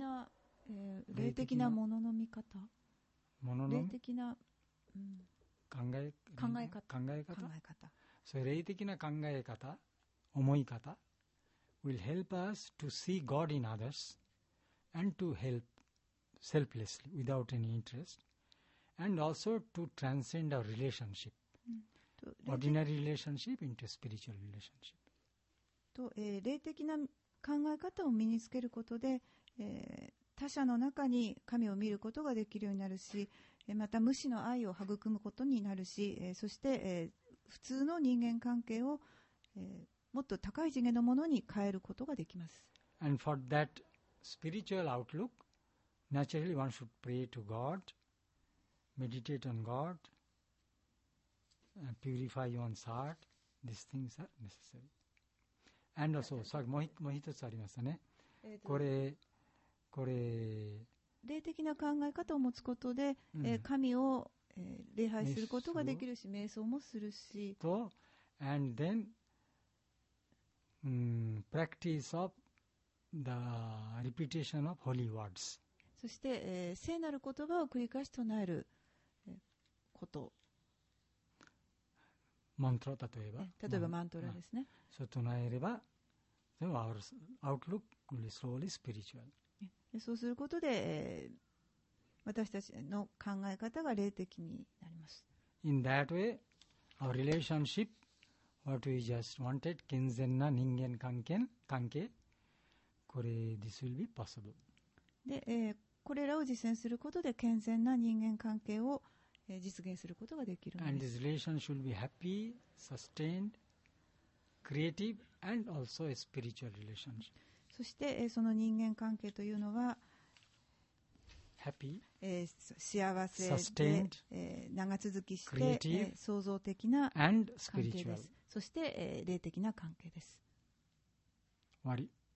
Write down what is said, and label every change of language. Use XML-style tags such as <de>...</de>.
<ja>ック、霊的なものの見方、ものの霊的な、考え方、それ霊的な考え方、思い方</ja> <en>will help us to see God in others and to help selflessly without any interest and also to transcend our relationship、ordinary relationship into spiritual relationship。</en> <ja>と霊的な考え方を身につけることで、他者の中に神を見ることができるようになるし、また無私の愛を育むことになるし、そして、普通の人間関係を、もっと高い次元のものに変えることができます。</ja> <en>And for that spiritual outlook, naturally one should pray to God, meditate on God, and purify one's heart. These things are necessary. And also, sorry,</en> <ja>もう一つありましたね。これ霊的な考え方を持つことで、神を、礼拝することができるし、瞑想もするし、</ja> <en>と、and then、practice of the repetition of holy words。</en> <ja>そして、聖なる言葉を繰り返し唱える、こと。マントラ、例えばマントラですね。そう唱えれば。</ja> <en>Our outlook will be slowly spiritual.</en> <ja>そうすることで、私たちの考え方が霊的になります。</ja> <en>In that way, our relationship, what we just wanted,</en> <ja>健全な人間関係、これ、</ja> <en>this will be possible.</en> <ja>で、これらを実践することで健全な人間関係を、実現することができるんです。</ja> <en>And this relation should be happy, sustained,creative and also a spiritual relationship.</en> <ja>そして、その人間関係というのは</ja> <en>happy、</en> <ja>幸せで、</ja> <en>sustained、</en> <ja>長続きして、creative、創造的な関係です。</ja> <en>and spiritual.</en> <ja>そして、霊的な関係です。終わり。</ja>